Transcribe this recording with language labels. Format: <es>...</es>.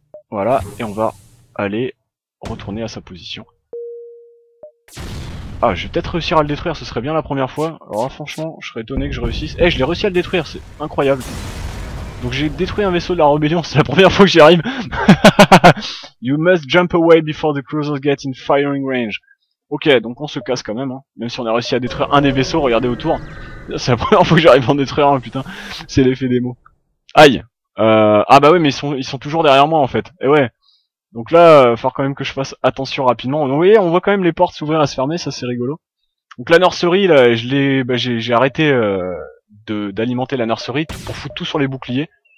<fr>Voilà, et on va aller retourner à sa position. Ah, je vais peut-être réussir à le détruire, ce serait bien la première fois. Alors là, franchement, je serais étonné que je réussisse. Eh, je l'ai réussi à le détruire, c'est incroyable. Donc j'ai détruit un vaisseau de la rébellion, c'est la première fois que j'y arrive.</fr> <en>You must jump away before the cruisers get in firing range.</en> <fr>Ok, donc on se casse quand même, hein. Même si on a réussi à détruire un des vaisseaux, regardez autour. C'est la première fois que j'arrive à en détruire un, putain. C'est l'effet démo. Aïe. Ah bah oui, mais ils sont toujours derrière moi en fait. Et ouais. Donc là, faut quand même que je fasse attention rapidement. Donc, vous voyez, on voit quand même les portes s'ouvrir et se fermer, ça c'est rigolo. Donc la nurserie, là, j'ai arrêté d'alimenter la nurserie pour foutre tout sur les boucliers.</fr>